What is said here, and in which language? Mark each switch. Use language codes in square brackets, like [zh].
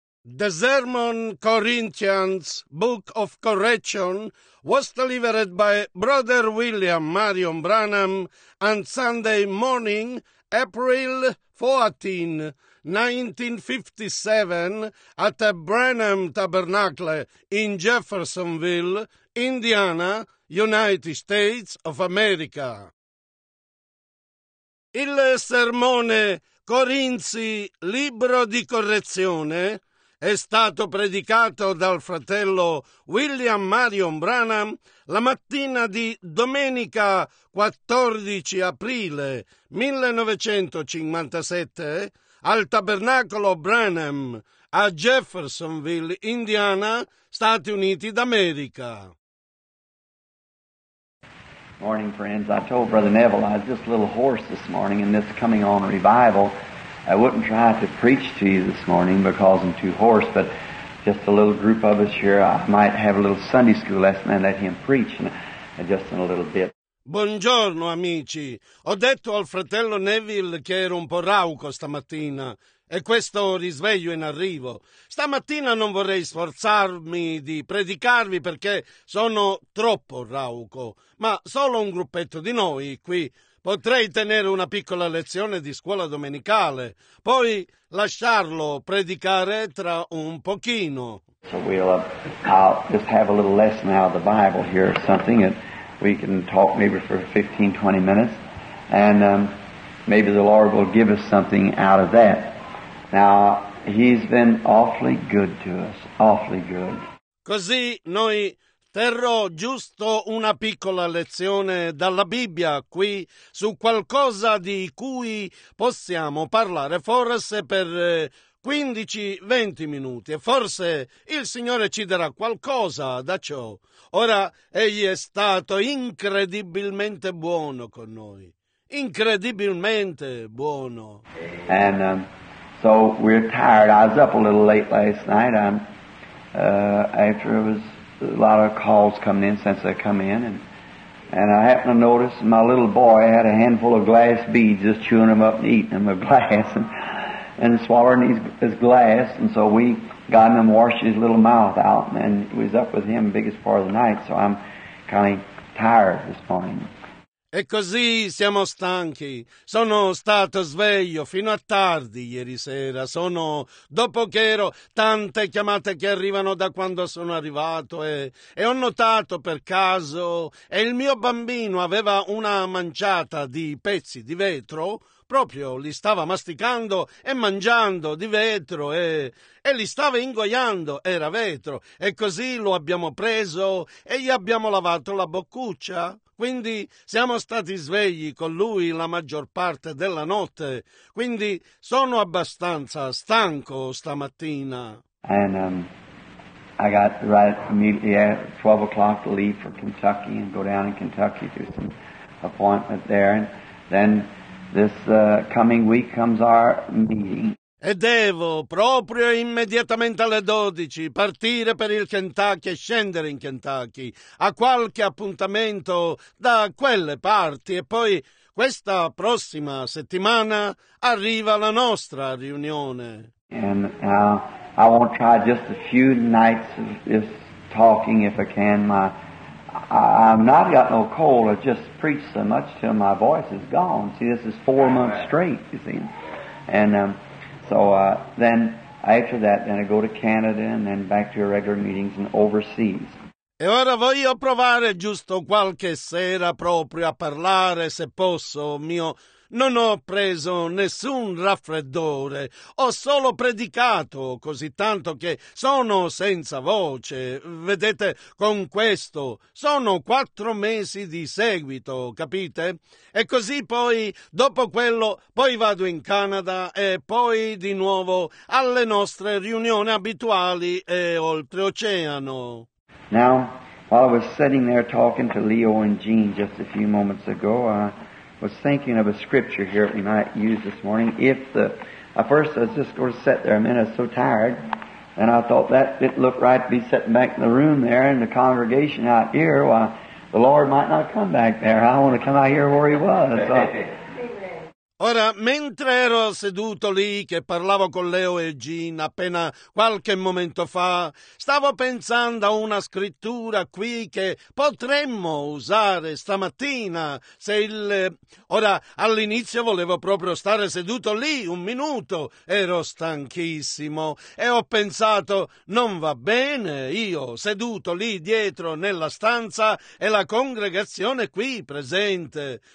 [en] The sermon Corinthians, Book of Correction, was delivered by Brother William Marion Branham on Sunday morning, April 14, 1957, at the Branham Tabernacle in Jeffersonville, Indiana, United States of America. [it] Il sermone Corinzi, Libro di Correzione, è stato predicato dal fratello William Marion Branham la mattina di domenica 14 aprile 1957 al Tabernacolo Branham a Jeffersonville, Indiana, Stati Uniti d'America. [en] Morning, friends. I told Brother Neville I was just a little hoarse this morning in this coming on revival. I wouldn't try to preach to you this morning because I'm too hoarse, but just a little group of us here, I might have a little Sunday school lesson and let him preach just in a little bit. [it] Buongiorno, amici. Ho detto al fratello Neville che ero un po' rauco stamattina e questo risveglio in arrivo. Stamattina non vorrei sforzarmi di predicarvi perché sono troppo rauco, ma solo un gruppetto di noi qui. Potrei tenere una piccola lezione di scuola domenicale, poi lasciarlo predicare tra un pochino. [en] So I'll just have a little lesson out of the Bible here or something, and we can talk maybe for 15-20 minutes, and maybe the Lord will give us something out of that. Now, He's been awfully good to us, awfully good. [it] Così noi terrò giusto una piccola lezione dalla Bibbia qui su qualcosa di cui possiamo parlare forse per 15-20 minuti e forse il Signore ci darà qualcosa da ciò. Ora, Egli è stato incredibilmente buono con noi, incredibilmente buono. [en] And so we're tired. I was up a little late last night after it was a lot of calls coming in since they come in, and I happened to notice my little boy had a handful of glass beads, just chewing them up and eating them with glass and swallowing his glass, and so we got him and washed his little mouth out, and he was up with him biggest part of the night, so I'm kind of tired this morning. [it] E così siamo stanchi. Sono stato sveglio fino a tardi ieri sera. Sono dopo che ero tante chiamate che arrivano da quando sono arrivato e ho notato per caso e il mio bambino aveva una manciata di pezzi di vetro. Proprio li stava masticando e mangiando di vetro e li stava ingoiando, era vetro. E così lo abbiamo preso e gli abbiamo lavato la boccuccia. Quindi siamo stati svegli con lui la maggior parte della notte. Quindi sono abbastanza stanco stamattina. [en] And I got right immediately at 12 o'clock to leave for Kentucky and go down in Kentucky to some appointment there. And then this coming week comes our meeting. [it] E devo proprio immediatamente alle 12 partire per il Kentucky e scendere in Kentucky a qualche appuntamento da quelle parti e poi questa prossima settimana arriva la nostra riunione. [en] And I want to try just a few nights of just talking if I can. I've not got no cold. I just preached so much till my voice is gone. See, this is 4 months straight, you see. And then after that, then I go to Canada and then back to your regular meetings and overseas. [it] E ora voglio provare giusto qualche sera proprio a parlare, se posso, mio. Non ho preso nessun raffreddore, ho solo predicato così tanto che sono senza voce. Vedete, con questo sono 4 mesi di seguito, capite? E così poi, dopo quello, poi vado in Canada e poi di nuovo alle nostre riunioni abituali e oltreoceano. [en] Now, while I was sitting there talking to Leo and Jean just a few moments ago, was thinking of a scripture here we might use this morning. First I was just going to sit there a minute, I was so tired, and I thought that it looked right to be sitting back in the room there in the congregation out here. Why, the Lord might not come back there. I want to come out here where He was. So. [it] Ora, mentre ero seduto lì che parlavo con Leo e Jean appena qualche momento fa, stavo pensando a una scrittura qui che potremmo usare stamattina se il... Ora, all'inizio volevo proprio stare seduto lì un minuto, ero stanchissimo e ho pensato, non va bene, io seduto lì dietro nella stanza e la congregazione qui presente.